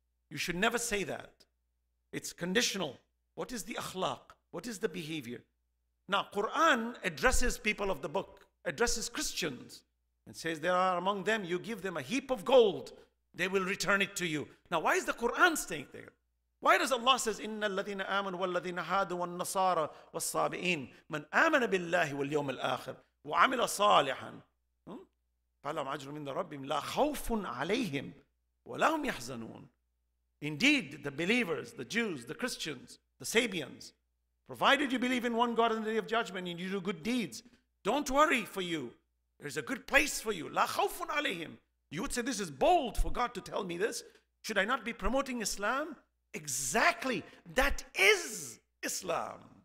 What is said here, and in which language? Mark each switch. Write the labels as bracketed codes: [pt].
[en] You should never say that. It's conditional. What is the akhlaq? What is the behavior? Now, Quran addresses people of the book, addresses Christians, and says there are among them, you give them a heap of gold, they will return it to you. Now, why is the Quran staying there? Why does Allah says, [ar] إِنَّ الَّذِينَ آمَنُوا وَالَّذِينَ هَادُوا وَالنَّصَارَى وَالصَّابِئِينَ مَنْ آمَنَ بِاللَّهِ وَالْيَوْمِ الْآخِرِ وَعَمِلَ صَالِحًا فَلَهُمْ أَجْرٌ مِنْ رَبِّهِمْ لَا خَوْفٌ عَلَيْهِمْ وَلَا هُمْ يَحْزَنُونَ. [en] Indeed, the believers, the Jews, the Christians, the Sabians, provided you believe in one God on the day of judgment and you do good deeds, don't worry for you. There's a good place for you. [ar] لَا خَوْفٌ عَلَيْهِمْ. [en] You would say, this is bold for God to tell me this. Should I not be promoting Islam? Exactly, that is Islam.